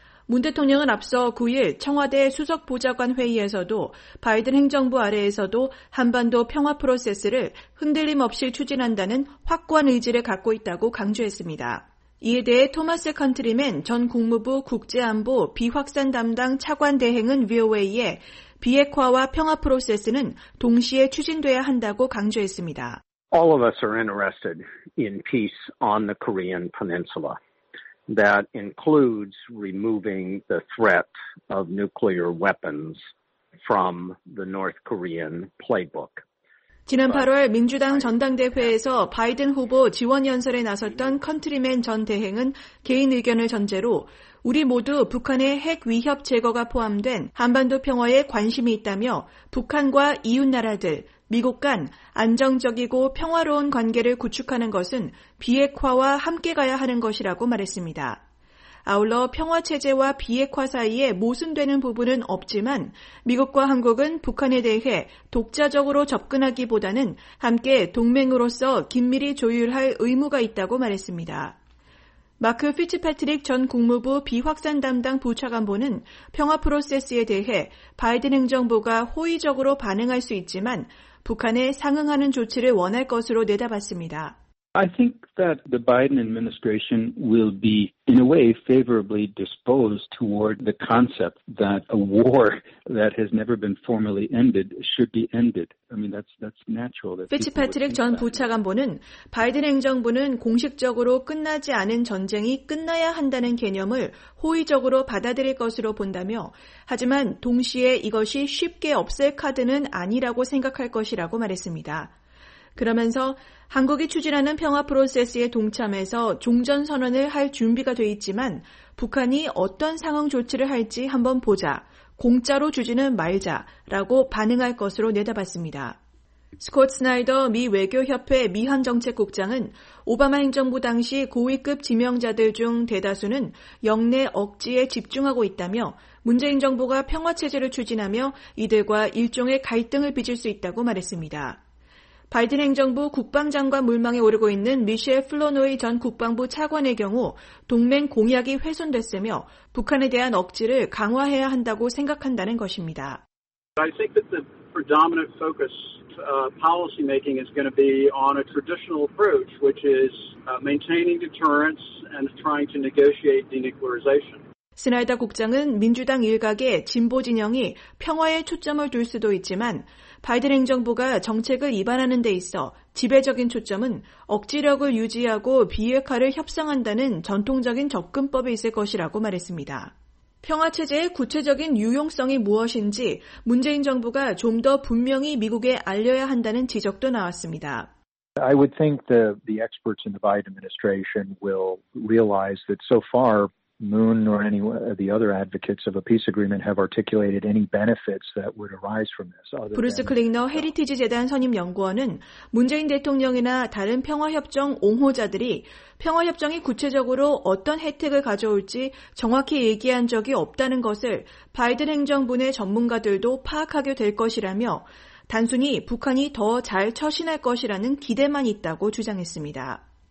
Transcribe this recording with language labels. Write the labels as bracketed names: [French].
[Korean] 문 대통령은 앞서 9일 청와대 수석보좌관 회의에서도 바이든 행정부 아래에서도 한반도 평화 프로세스를 흔들림 없이 추진한다는 확고한 의지를 갖고 있다고 강조했습니다. 이에 대해 토마스 컨트리맨 전 국무부 국제안보 비확산 담당 차관 대행은 VOA에 비핵화와 평화 프로세스는 동시에 추진돼야 한다고 강조했습니다. [English] All of us are interested in peace on the Korean Peninsula. That includes removing the threat of nuclear weapons from the North Korean playbook. [Korean] 지난 8월 민주당 전당대회에서 바이든 후보 지원 연설에 나섰던 컨트리맨 전 대행은 개인 의견을 전제로 우리 모두 북한의 핵 위협 제거가 포함된 한반도 평화에 관심이 있다며 북한과 이웃나라들, 미국 간 안정적이고 평화로운 관계를 구축하는 것은 비핵화와 함께 가야 하는 것이라고 말했습니다. 아울러 평화체제와 비핵화 사이에 모순되는 부분은 없지만 미국과 한국은 북한에 대해 독자적으로 접근하기보다는 함께 동맹으로서 긴밀히 조율할 의무가 있다고 말했습니다. 마크 피츠패트릭 전 국무부 비확산 담당 부차관보는 평화 프로세스에 대해 바이든 행정부가 호의적으로 반응할 수 있지만 북한에 상응하는 조치를 원할 것으로 내다봤습니다. [English] I think that the Biden administration will be, in a way, favorably disposed toward the concept that a war that has never been formally ended should be ended. I mean, that's natural. [Korean] 피츠패트릭 전 부차관보는 바이든 행정부는 공식적으로 끝나지 않은 전쟁이 끝나야 한다는 개념을 호의적으로 받아들일 것으로 본다며, 하지만 동시에 이것이 쉽게 없앨 카드는 아니라고 생각할 것이라고 말했습니다. 그러면서 한국이 추진하는 평화 프로세스에 동참해서 종전선언을 할 준비가 돼 있지만 북한이 어떤 상황 조치를 할지 한번 보자, 공짜로 주지는 말자라고 반응할 것으로 내다봤습니다. 스콧 스나이더 미 외교협회 미한정책국장은 오바마 행정부 당시 고위급 지명자들 중 대다수는 영내 억지에 집중하고 있다며 문재인 정부가 평화체제를 추진하며 이들과 일종의 갈등을 빚을 수 있다고 말했습니다. 바이든 행정부 국방장관 물망에 오르고 있는 미셸 플로노이 전 국방부 차관의 경우 동맹 공약이 훼손됐으며 북한에 대한 억지를 강화해야 한다고 생각한다는 것입니다. [English] I think that the predominant focus policy making is going to be on a traditional approach, which is maintaining deterrence and trying to negotiate denuclearization. [Korean] 스나이더 국장은 민주당 일각의 진보 진영이 평화에 초점을 둘 수도 있지만 바이든 행정부가 정책을 이반하는 데 있어 지배적인 초점은 억지력을 유지하고 비핵화를 협상한다는 전통적인 접근법에 있을 것이라고 말했습니다. 평화체제의 구체적인 유용성이 무엇인지 문재인 정부가 좀 더 분명히 미국에 알려야 한다는 지적도 나왔습니다. [English] I would think the experts in the Biden administration will realize that so far Moon nor any of the other advocates of a peace agreement have articulated any benefits that would arise from this. [Korean] 브루스 클링너 헤리티지 재단 선임 연구원은 문재인 대통령이나 다른 평화협정 옹호자들이 평화협정이 구체적으로 어떤 혜택을 가져올지 정확히 얘기한 적이 없다는 것을 바이든 행정부 내 전문가들도 파악하게 될 것이라며 단순히 북한이 더 잘 처신할 것이라는 기대만 있다고 주장했습니다.